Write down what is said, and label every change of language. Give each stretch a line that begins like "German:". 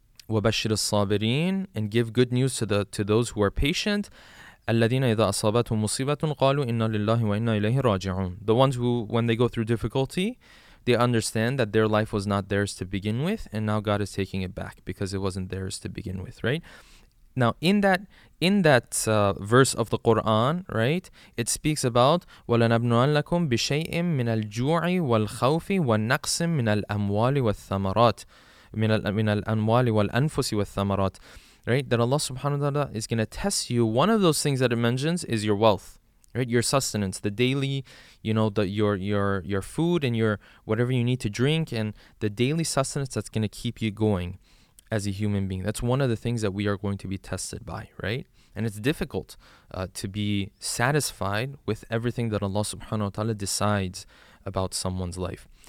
Arabic: وَبَشِّرِ الصَّابِرِينَ,
English: and give good news to those who are patient.
Arabic: الَّذِينَ إِذَا أَصَابَتْهُمْ مُصِيبَةٌ قَالُوا إِنَّا لِلَّهِ وَإِنَّا إِلَيْهِ رَاجِعُونَ.
English: The ones who, when they go through difficulty, they understand that their life was not theirs to begin with, and now God is taking it back because it wasn't theirs to begin with, right? Now, in that verse of the Quran, right, it speaks about
Arabic: وَلَنَبْنُوَلَّكُمْ بِشَيْءٍ مِنَ الْجُوعِ وَالْخَوْفِ وَالنَّقْسٍ مِنَ الْأَمْوَالِ وَالثَّمَرَاتِ, مِنَ الْأَمْوَالِ وَالْأَنفُسِ وَالثَّمَرَاتِ.
English: Right, that Allah subhanahu wa ta'ala is going to test you. One of those things that it mentions is your wealth, right? Your sustenance, the daily, your food and your whatever you need to drink and the daily sustenance that's going to keep you going as a human being. That's one of the things that we are going to be tested by, right? And it's difficult to be satisfied with everything that Allah subhanahu wa ta'ala decides about someone's life.